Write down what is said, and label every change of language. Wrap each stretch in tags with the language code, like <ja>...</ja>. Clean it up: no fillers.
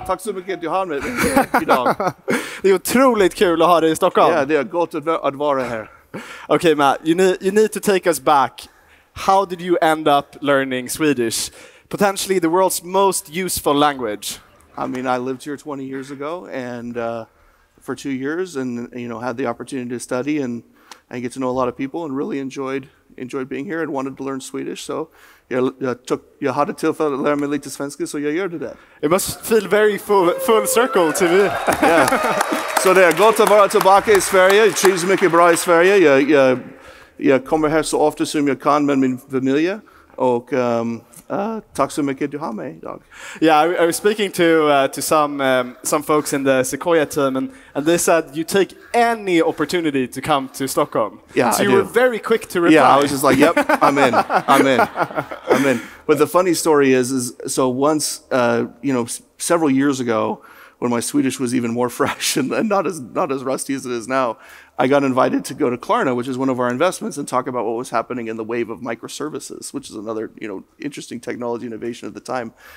<sv>Tack så mycket att du har med mig idag. Det är otroligt kul att ha dig i Stockholm. Ja, det är gott att vara här.</sv> <en>Okay, Matt, you need to take us back. How did you end up learning Swedish? Potentially the world's most useful language. I mean, I lived here 20 years ago and for 2 years and, you know, had the opportunity to study and get to know a lot of people and really enjoyed being here and wanted to learn Swedish.</en> <sv>So jag tog jag hade tillfälle att lära mig lite svenska, så jag gjorde det.</sv> <en>It must feel very full circle to me. Yeah.</en> <sv>Så det är gott att vara tillbaka i Sverige. Det trivs mycket bra i Sverige. Jag kommer här så ofta som jag kan med min familj. Och tack så mycket att du har mig idag.</sv> <en>Yeah, I was speaking to some folks in the Sequoia team, and they said you take any opportunity to come to Stockholm. Yeah, so I you do. Were very quick to reply. Yeah, I was just like, yep, I'm in. But the funny story is so once, you know, several years ago, when my Swedish was even more fresh and not as rusty as it is now, I got invited to go to Klarna, which is one of our investments, and talk about what was happening in the wave of microservices, which is another, you know, interesting technology innovation at the time.</en>